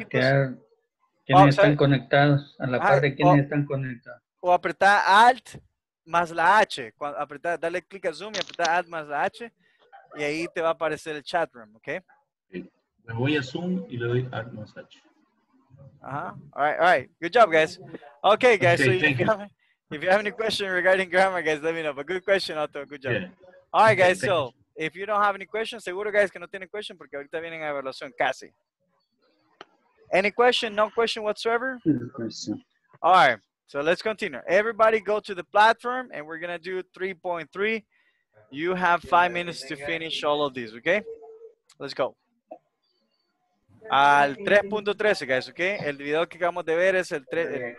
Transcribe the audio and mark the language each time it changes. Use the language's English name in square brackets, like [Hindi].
[Spanish] Chatear. ¿Quiénes están conectados? A la par de quiénes están conectados. O apretar alt más la H. Dale clic a Zoom y apretar alt más la H. Y ahí te va a aparecer el chat room, ¿ok? Me voy a Zoom y le doy alt más H. [English] Ajá. All right. Good job, guys. Okay, guys. Okay, so if you have any question regarding grammar, guys, let me know. But good question, Otto. Good job. Yeah. All right, guys. Okay, so. If you don't have any questions, [Spanish] seguro, guys, que no tienen question porque ahorita vienen a evaluación, casi. [English] Any question? No question whatsoever? No question. All right. So let's continue. Everybody go to the platform, and we're going to do 3.3. You have 5 minutes to finish all of these, okay? Let's go. Al 3.13, guys, okay? [Spanish] El video que acabamos de ver es el 3.